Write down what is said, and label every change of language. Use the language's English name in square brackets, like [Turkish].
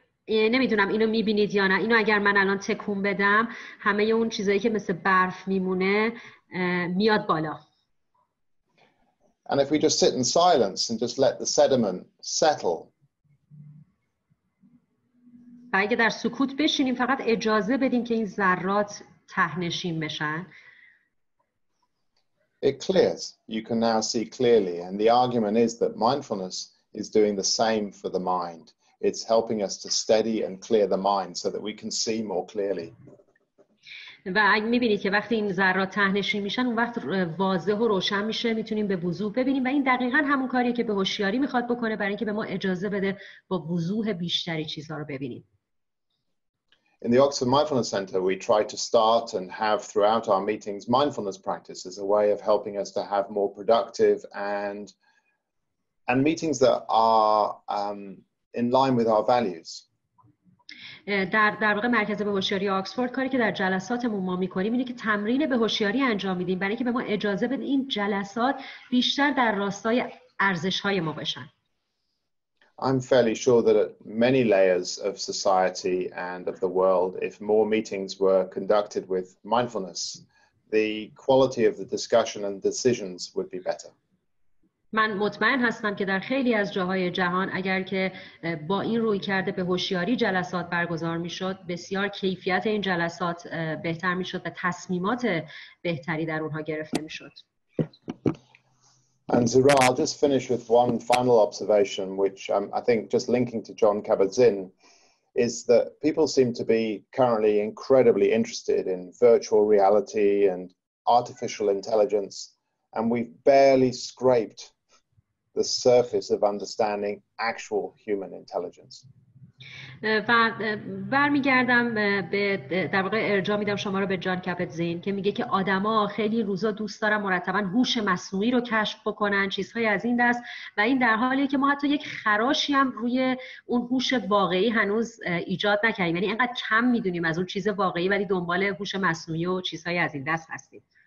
[Persian] نمیدونم اینو میبینید یا نه، اینو اگر من الان تکون بدم همه اون چیزایی که مثل برف میمونه میاد بالا. [English] And if we just sit in silence and just let the sediment settle. [Persian] و اگه در سکوت بشینیم فقط اجازه بدیم که این ذرات تهنشین بشن. [English] It clears. You can now see clearly. And the argument is that mindfulness is doing the same for the mind. It's helping us to steady and clear the mind so that we can see more clearly. [Persian] و اگه می‌بینید که وقتی این ذرات تهنشین میشن اون وقت واضح و روشن میشه، میتونیم به وضوح ببینیم و این دقیقاً همون کاریه که به هوشیاری میخواد بکنه برای اینکه به ما اجازه بده با وضوح بیشتری چیزها رو ببینیم. [English] In the Oxford Mindfulness Centre, we try to start and have throughout our meetings mindfulness practice as a way of helping us to have more productive and meetings that are in line with our values. [Persian] در واقع مرکز به هوشیاری آکسفورد کاری که در جلساتمون ما می‌کنیم اینه که تمرین به هوشیاری انجام میدیم برای اینکه به ما اجازه بده این جلسات بیشتر در راستای ارزش‌های ما باشن. [English] I'm fairly sure that at many layers of society and of the world, if more meetings were conducted with mindfulness, the quality of the discussion and decisions would be better. [Persian] من مطمئن هستم که در خیلی از جاهای جهان اگر که با این روی کرده به هوشیاری جلسات برگزار می شد بسیار کیفیت این جلسات بهتر می شد و تصمیمات بهتری در اونها گرفته می شد. [English] And Zira, I'll just finish with one final observation, which I think just linking to John Kabat-Zinn, is that people seem to be currently incredibly interested in virtual reality and artificial intelligence, and we've barely scraped the surface of understanding actual human intelligence. [Persian] و برمیگردم به در واقع ارجاع میدم شما رو به جان کابت-زین که میگه که آدما خیلی روزا دوست دارن مرتبا هوش مصنوعی رو کشف بکنن، چیزهای از این دست، و این در حالیه که ما حتی یک خراشی هم روی اون هوش واقعی هنوز ایجاد نکردیم، یعنی اینقدر کم میدونیم از اون چیز واقعی ولی دنبال هوش مصنوعی و چیزهای از این دست هستیم.